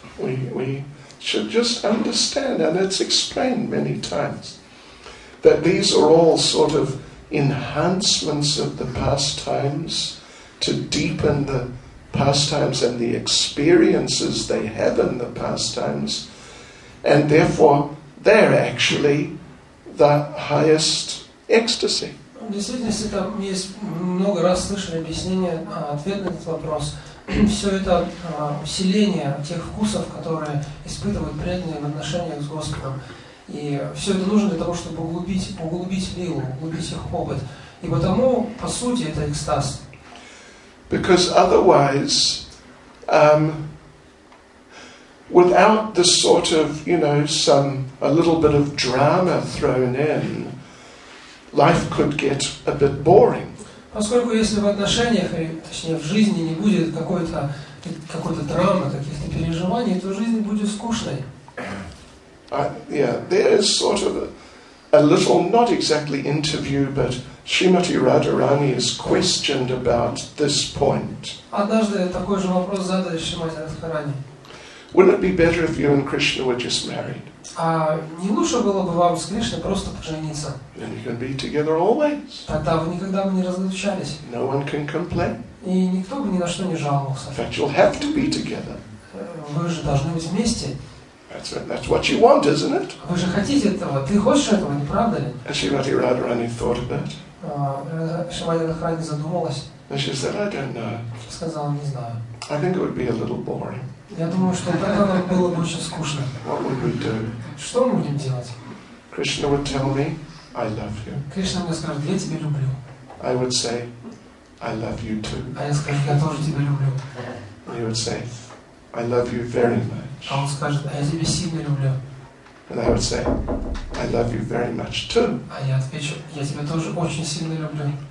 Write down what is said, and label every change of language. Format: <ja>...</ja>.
<en>We should just understand, and it's explained many times, that these are all sort of enhancements of the pastimes to deepen the pastimes and the experiences they have in the pastimes. And therefore, they're actually the highest ecstasy.</en> <ru>В действительности, там есть много раз слышали объяснение, ответ на этот вопрос. Все это усиление тех вкусов, которые испытывают преданные в отношениях с Господом. И все это нужно для того, чтобы углубить лилу, углубить их опыт. И потому, по сути, это экстаз.</ru> <en>Because otherwise, without the sort of, you know, some, a little bit of drama thrown in, life could get a bit boring.</en> <ru>Поскольку если в отношениях, точнее в жизни, не будет какой-то драмы, каких-то переживаний, то жизнь будет скучной.</ru> <en>There is sort of a little, not exactly interview, but Shrimati Radharani is questioned about this point.</en> <ru>Однажды такой же вопрос задали Шримати Радхарани.</ru> <en>Wouldn't it be better if you and Krishna were just married?</en> <ru>А не лучше было бы вам с Кришной просто пожениться?</ru> <en>Then you can be together always.</en> <ru>Тогда вы никогда бы не разлучались.</ru> <en>No one can complain.</en> <ru>И никто бы ни на что не жаловался.</ru> <en>In fact, you'll have to be together.</en> <ru>Вы же должны быть вместе.</ru> <en>That's what you want, isn't it?</en> <ru>Вы же хотите этого. Ты хочешь этого, не правда ли?</ru> <en>And Shrimati Radharani thought of that.</en> <ru>Шримати Радхарани задумалась.</ru> <en>And she said, I don't know.</en> <ru>Сказала, не знаю.</ru> <en>I think it would be a little boring.</en> <ru>Я думаю, что тогда нам было бы очень скучно.</ru> <en>What would we do?</en> <ru>Что мы будем делать?</ru> <en>Krishna would tell me, I love you.</en> <ru>Кришна мне скажет, я тебя люблю.</ru> <en>I would say, I love you too.</en> <ru>А я скажу, я тоже тебя люблю.</ru> <en>He would say, I love you very much.</en> <ru>А он скажет, а я тебя сильно люблю.</ru> <en>And I would say, I love you very much too.</en> <ru>А я отвечу, я тебя тоже очень сильно люблю.</ru>